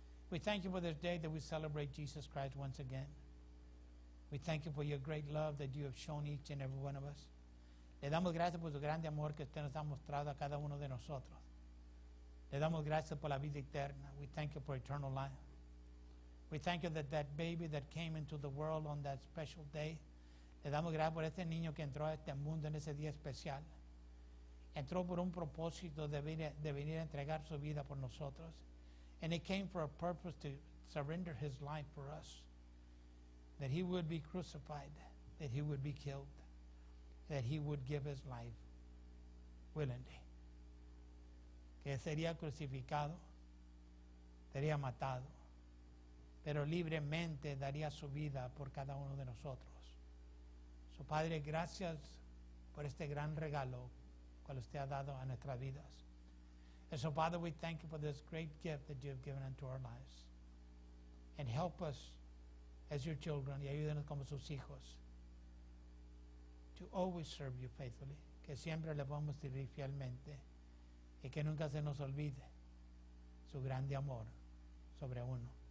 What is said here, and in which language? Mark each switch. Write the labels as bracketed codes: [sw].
[en] We thank you for this day that we celebrate Jesus Christ once again. We thank you for your great love that you have shown each and every one of us. [es] Le damos gracias por su grande amor que usted nos ha mostrado a cada uno de nosotros. Le damos gracias por la vida eterna. [en] We thank you for eternal life. We thank you that that baby that came into the world on that special day. [es] Le damos gracias por ese niño que entró a este mundo en ese día especial. Entró por un propósito de venir a entregar su vida por nosotros. [en] And he came for a purpose to surrender his life for us. That he would be crucified. That he would be killed. That he would give his life willingly. [es] Que sería crucificado. Sería matado. Pero libremente daría su vida por cada uno de nosotros. Su Padre, gracias por este gran regalo cual usted ha dado a nuestras vidas. [en] And so, Father, we thank you for this great gift that you have given unto our lives. And help us as your children, [es] y ayúdenos como sus hijos, [en] to always serve you faithfully. [es] Que siempre le podamos servir fielmente y que nunca se nos olvide su grande amor sobre uno.